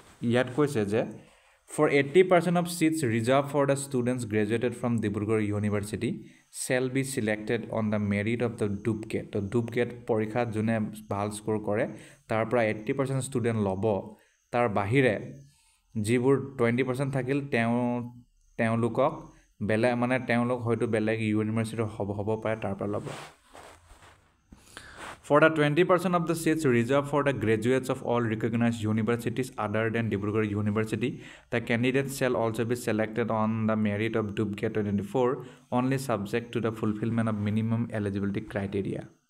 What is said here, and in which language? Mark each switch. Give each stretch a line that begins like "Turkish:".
Assamese: ইয়াত কৈছে যে
English: For 80% of seats reserved for the students graduated from Dibrugarh University shall be selected on the merit of the DUPGET.
Assamese: The DUPGET পৰীক্ষাত যোনে ভাল score কৰে তাৰ পৰা 80% ষ্টুডেণ্ট ল'ব। তাৰ বাহিৰে যিবোৰ 20% থাকিল তেওঁলোকক বেলেগ, মানে তেওঁলোক হয়তো বেলেগ ইউনিভাৰ্চিটিৰ হ'ব পাৰে, তাৰ পৰা ল'ব।
English: For the 20% of the seats reserved for the graduates of all recognized universities other than Dibrugarh University, the candidates shall also be selected on the merit of DUPGET 2024, only subject to the fulfillment of minimum eligibility criteria.